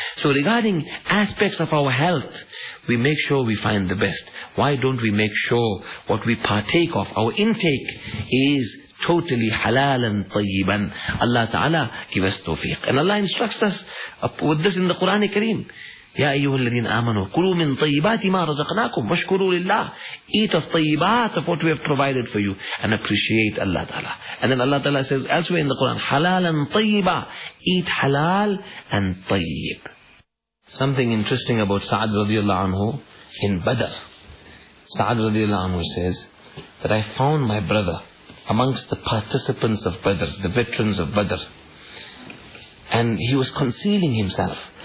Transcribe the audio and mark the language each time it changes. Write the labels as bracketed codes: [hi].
[en] So regarding aspects of our health, we make sure we find the best. Why don't we make sure what we partake of, our intake, is totally halalan tayyiban. Allah Ta'ala give us tawfiq. And Allah instructs us with this in the Qur'an Kareem. [ar] يا أيها الذين آمنوا كلوا من طيبات ما رزقناكم واشكروا لله. [en] Eat of طيبات of what we have provided for you and appreciate Allah Ta'ala. And then Allah Ta'ala says elsewhere in the Quran, [ar] حلالا طيبا. [en] Eat halal and طيب. Something interesting about Sa'ad radiallahu anhu in Badr. Sa'ad radiallahu anhu says that I found my brother amongst the participants of Badr, the veterans of Badr, and he was concealing himself.